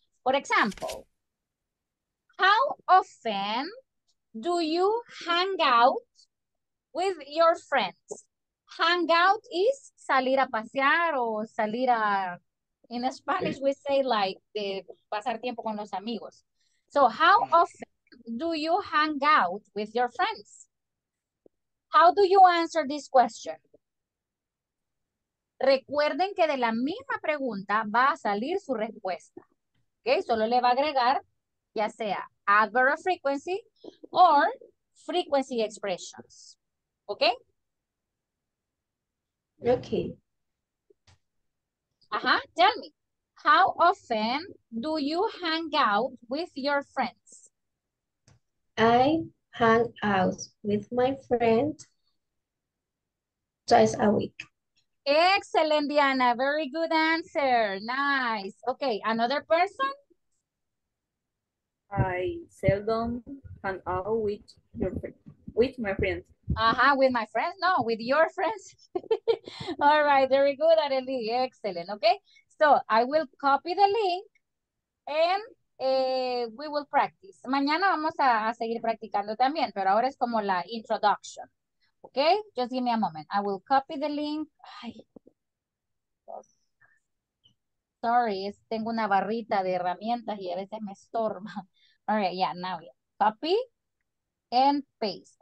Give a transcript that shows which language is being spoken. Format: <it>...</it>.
<en>For example, how often do you hang out with your friends? hang out is</en> <es>salir a pasear o salir a,</es> <en>in Spanish we say like the</en> <es>pasar tiempo con los amigos.</es> <en>So how often do you hang out with your friends? How do you answer this question?</en> <es>Recuerden que de la misma pregunta va a salir su respuesta.</es> <en>Okay,</en> <es>solo le va a agregar ya sea</es> <en>adverb of frequency or frequency expressions. Okay? Okay. Uh-huh. Tell me, how often do you hang out with your friends? I hang out with my friend twice a week. Excellent, Diana. Very good answer. Nice. Okay, another person? I seldom hang out with your friend. With my friends. Uh-huh, with my friends? No, with your friends. All right, very good, Areli. Excellent, okay? So, I will copy the link and we will practice.</en> <es>Mañana vamos a seguir practicando también, pero ahora es como la introduction.</es> <en>Okay, just give me a moment. I will copy the link. Ay. Sorry,</en> <es>tengo una barrita de herramientas y a veces me estorba.</es> <en>All right, yeah, now yeah. Copy and paste.</en>